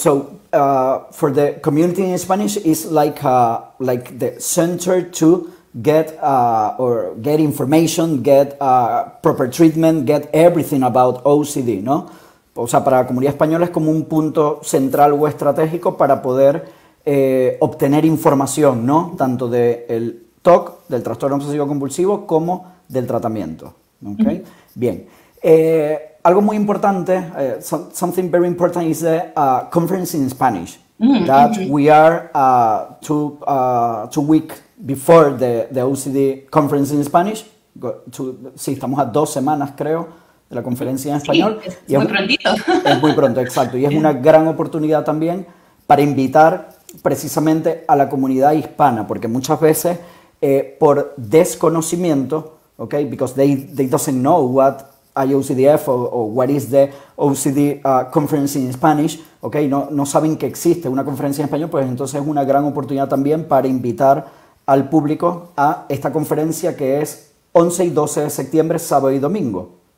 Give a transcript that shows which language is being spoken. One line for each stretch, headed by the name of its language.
English: So for the community in Spanish, it's like the center to get or get information, get proper treatment, get everything about OCD, ¿no?
Spanish: O sea, para la comunidad española es como un punto central o estratégico para poder obtener información, ¿no? Tanto del TOC, del trastorno obsesivo compulsivo, como del tratamiento, ¿okay? Mm-hmm. Bien. Algo muy importante,
English: something very important is the conference in Spanish that we are two weeks before the OCD conference in Spanish.
Spanish: Sí, estamos a dos semanas, creo, de la conferencia en español. Sí, es muy prontito. Es muy pronto, exacto. Y es una gran oportunidad también para invitar precisamente a la comunidad hispana, porque muchas veces por desconocimiento, okay,
English: because they doesn't know what IOCDF o what is the OCD conference in Spanish,
Spanish: okay, no saben que existe una conferencia en español, pues entonces es una gran oportunidad también para invitar al público a esta conferencia que es 11 y 12 de septiembre, sábado y domingo.